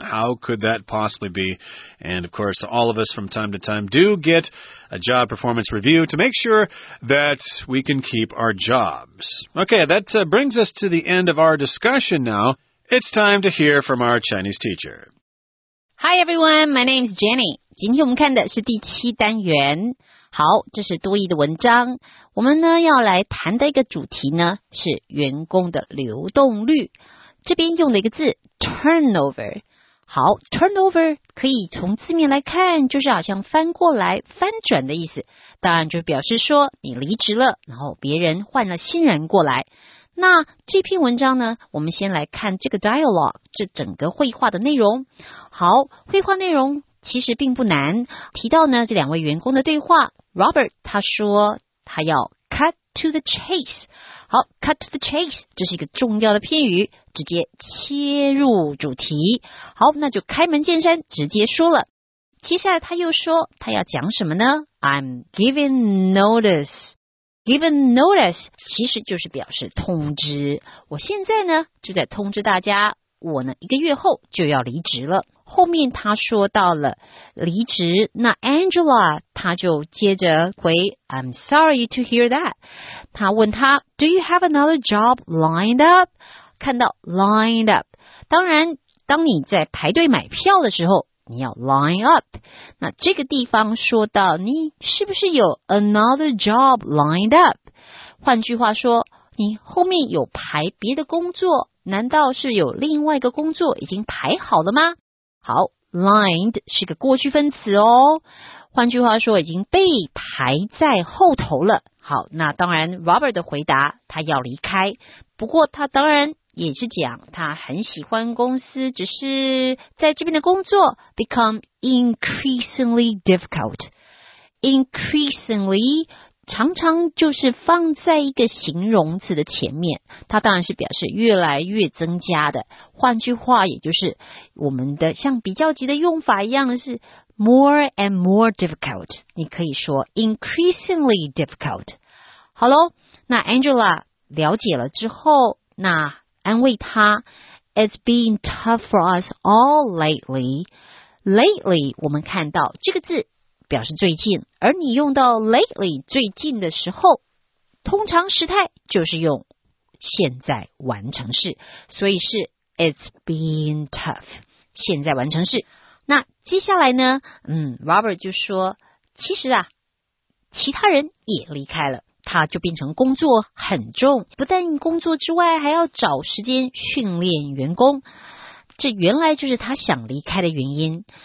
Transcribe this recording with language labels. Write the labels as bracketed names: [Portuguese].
[English] How could that possibly be? And, of course, all of us from time to time do get a job performance review to make sure that we can keep our jobs. Okay, that brings us to the end of our discussion now. It's time to hear from our Chinese teacher. Hi, everyone. My name is Jenny. [Chinese] 今天我们看的是第七单元。好，这是多益的文章。我们呢要来谈的一个主题呢是员工的流动率。这边用的一个字 turnover。好 ,turnover 可以从字面来看就是好像翻过来翻转的意思。当然就表示说你离职了，然后别人换了新人过来。那这篇文章呢，我们先来看这个 dialogue, 这整个绘画的内容。好，绘画内容其实并不难，提到呢这两位员工的对话。 Robert 他说他要 [English] cut to the chase。 [Chinese] 好， [English] cut to the chase [Chinese] 这是一个重要的片语，直接切入主题。好，那就开门见山直接说了。接下来他又说他要讲什么呢？ [English] I'm giving notice。 [Chinese] giving notice 其实就是表示通知，我现在呢就在通知大家，我呢一个月后就要离职了。后面他说到了离职，那 Angela 他就接着回 [English] I'm sorry to hear that。 [Chinese] 他问他 [English] Do you have another job lined up? [Chinese] 看到 lined up， 当然当你在排队买票的时候你要 line up， 那这个地方说到你是不是有 [English] another job lined up， [Chinese] 换句话说你后面有排别的工作，难道是有另外一个工作已经排好了吗？好， lined 是个过去分词哦，换句话说已经被排在后头了。好，那当然 Robert 的回答他要离开，不过他当然也是讲他很喜欢公司，只是在这边的工作 [English] become increasingly difficult。 [Chinese] increasingly 常常就是放在一个形容词的前面，它当然是表示越来越增加的。换句话，也就是我们的像比较级的用法一样，是 [English] more and more difficult， [Chinese] 你可以说 [English] increasingly difficult。 [Chinese] 好咯，那 Angela 了解了之后，那安慰她， [English] It's been tough for us all lately。 [Chinese] Lately 我们看到这个字表示最近，而你用到 lately 最近的时候，通常时态就是用现在完成式，所以是 [English] it's been tough [Chinese] 现在完成式。那接下来呢，Robert 就说，其实啊，其他人也离开了，他就变成工作很重，不但工作之外还要找时间训练员工，这原来就是他想离开的原因。